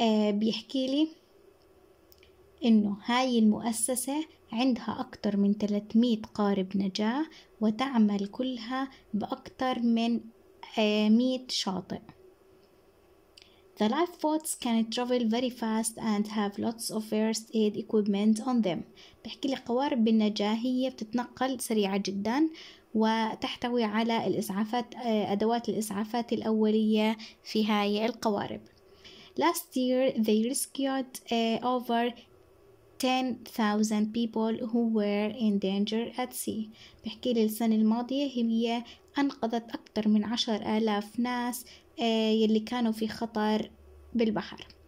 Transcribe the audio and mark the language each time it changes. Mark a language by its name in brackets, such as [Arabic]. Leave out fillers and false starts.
[Arabic] بيحكي لي إنه هاي المؤسسة عندها أكتر من 300 قارب نجاة وتعمل كلها بأكتر من 100 شاطئ. [English] The lifeboats can travel very fast and have lots of first aid equipment on them. [Arabic] بحكي لي قوارب النجاة هي بتتنقل سريعة جدا وتحتوي على الإسعافات أدوات الإسعافات الأولية في هاي القوارب. [English] Last year they rescued over 10,000 people who were in danger at sea. [Arabic] بحكي لي السنة الماضية هي أنقذت أكثر من 10,000 ناس يلي كانوا في خطر بالبحر.